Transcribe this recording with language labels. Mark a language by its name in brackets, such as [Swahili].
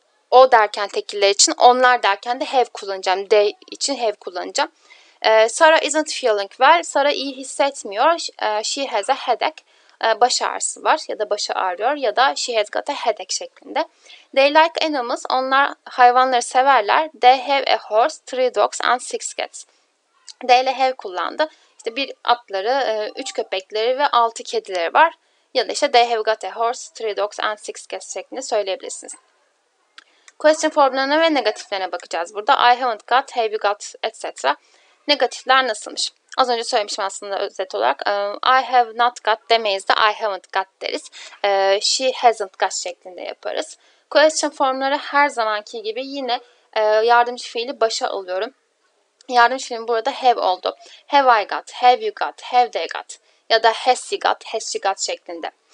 [Turkish] O derken tekiller için, onlar derken de have kullanacağım. They için have kullanacağım. [English] Sarah isn't feeling well. Sarah [Turkish] iyi hissetmiyor. [English] She has a headache. [Turkish] Baş ağrısı var ya da başı ağrıyor ya da [English] she has got a headache [Turkish] şeklinde. [English] They like animals. [Turkish] Onlar hayvanları severler. [English] They have a horse, three dogs and six cats. [Turkish] They ile have kullandı. İşte bir atları, üç köpekleri ve altı kedileri var. Ya da işte [English] they have got a horse, three dogs and six cats [Turkish] şeklinde söyleyebilirsiniz. Question formlarına ve negatiflerine bakacağız burada. [English] I haven't got, have you got, etc. [Turkish] Negatifler nasılmış? Az önce söylemişim aslında özet olarak. [English] I have not got [Turkish] demeyiz de [English] I haven't got [Turkish] deriz. [English] She hasn't got [Turkish] şeklinde yaparız. Question formları her zamanki gibi yine yardımcı fiili başa alıyorum. Yardımcı fiilim burada have oldu. [English] Have I got, have you got, have they got [Turkish] ya da [English] has he got, has she got [Turkish] şeklinde.